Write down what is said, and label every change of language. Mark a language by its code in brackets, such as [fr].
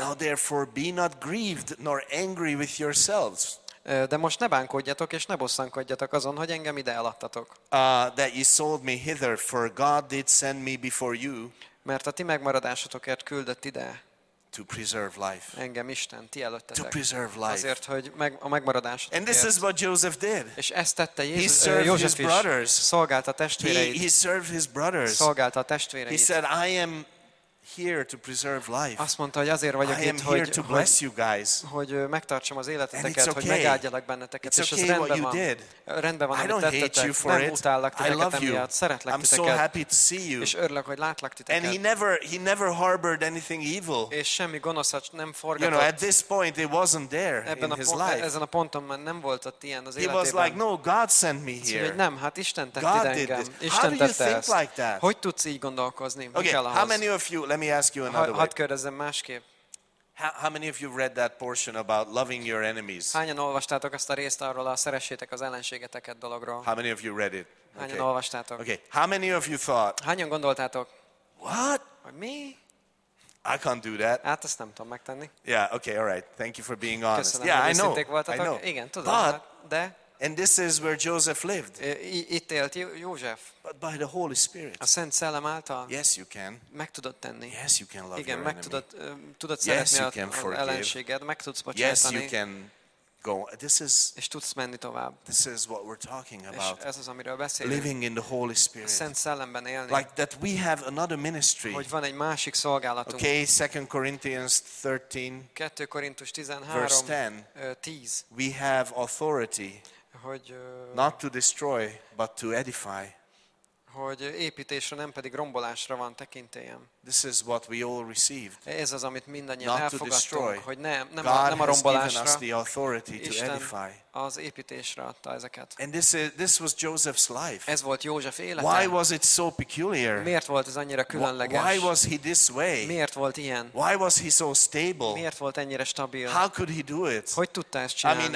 [en] now therefore be not grieved nor angry with yourselves. [hu] De most ne bánkodjatok és ne bosszankodjatok azon, hogy engem ide eladtatok. [en] That you sold me hither, for God did send me before you. [hu] Mert a ti megmaradásotokért küldött ide. [en] To preserve life. [hu] Engem Isten, ti előttetek. [en] To preserve life. [hu] Azért, hogy a megmaradásotokért. [en] And this is what Joseph did. [hu] És ezt tette József is. [en] Brothers. [hu] Szolgált a testvéreit. [en] He served his brothers. [hu] Szolgált a testvéreit. [en] He said, I am here to preserve life. [hu] Azt mondta, hogy azért vagyok itt, [en] hogy to bless you guys. [hu] Hogy megtartsam az életeteket, hogy megáldjalak benneteket, és ez rendben van. Rendben van, amit tettetek. Nem utállak titeket emiatt, szeretlek titeket. [en] I'm so happy to see you. [hu] És örülök, hogy látlak titeket. [en] And he never harbored anything evil. [hu] És semmi gonoszat nem forgatott. [en] You know, at this point it wasn't there in his life. [hu] Ezen a ponton már nem volt ott ilyen az életében. [en] He was like, no, God sent me here. [hu] Nem, hát Isten tett ide engem. Isten tette ezt. Hogy tudsz így gondolkozni? [en] Okay, how many of you, let me ask you another way. [hu] Hadd kérdezzem másképp. [en] How many of you read that portion about loving your enemies? [hu] Hányan olvastátok azt a részt arról, a szeressétek az ellenségeteket dologról? [en] How many of you read it? [hu] Hányan olvastátok? [en] Okay. How many of you thought? [hu] Hányan gondoltátok? [en] What? Me? I can't do that. [hu] Hát ezt nem tudom megtenni. [en] Yeah, okay, all right. Thank you for being honest. [hu] Köszönöm, yeah, hogy őszinték voltatok. [en] I know. [hu] Igen, tudom. But, de... [en] And this is where Joseph lived. [hu] Itt élt József. [en] But by the Holy Spirit. [hu] A Szent Szellem által. [en] Yes, you can. [hu] Meg tudod tenni. [en] Yes, you can love. [hu] Igen, [en] your [hu] meg tudod szeretni az ellenséged. Meg tudsz bocsátani. [en] Yes, you can go. This is. [hu] És tudsz menni tovább. [en] This is what we're talking about. [hu] És ez az, amiről beszélünk. [en] Living in the Holy Spirit. [hu] A Szent Szellemben élni. [en] Like that, we have another ministry. [hu] Hogy van egy másik szolgálatunk. [en] Okay, 2 Corinthians 13. [hu] 2 Korintus 13. [en] Verse 10. [hu] 10. [en] We have authority. [hu] Hogy, [en] not to destroy, but to edify. [hu] Hogy építésre, nem pedig rombolásra van tekintélyem. [en] This is what we all received. [hu] Ez az, amit mindannyian elfogadtunk, hogy nem a rombolásra. [en] God has given us the authority to edify. [hu] Az építésre adta ezeket. [en] And this was Joseph's life. [hu] Ez volt József élete. [en] Why was it so peculiar? [hu] Miért volt ez annyira különleges? [en] Why was he this way? [hu] Miért volt ilyen? [en] Why was he so stable? [hu] Miért volt ennyire stabil? [en] How could he do it? [hu] Hogy tudta ezt csinálni?